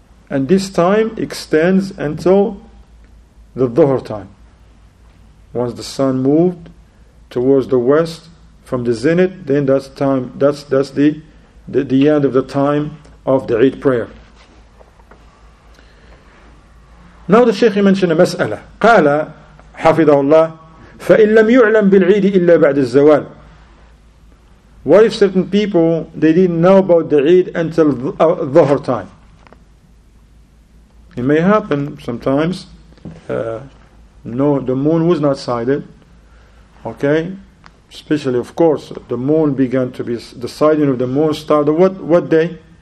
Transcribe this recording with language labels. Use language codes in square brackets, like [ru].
[en] And this time extends until the dhuhr time. Once the sun moved towards the west, from the zenith, then that's time. That's the end of the time of the Eid prayer. Now the Shaykh mentioned a mas'ala. [ar] قال حفظه الله فإن لم يعلم بالعيد إلا بعد الزوال. [en] What if certain people they didn't know about the Eid until dhuhr time? It may happen sometimes. No, the moon was not sighted. Okay. Especially, of course, the moon began to be, the sighting of the moon started, what day?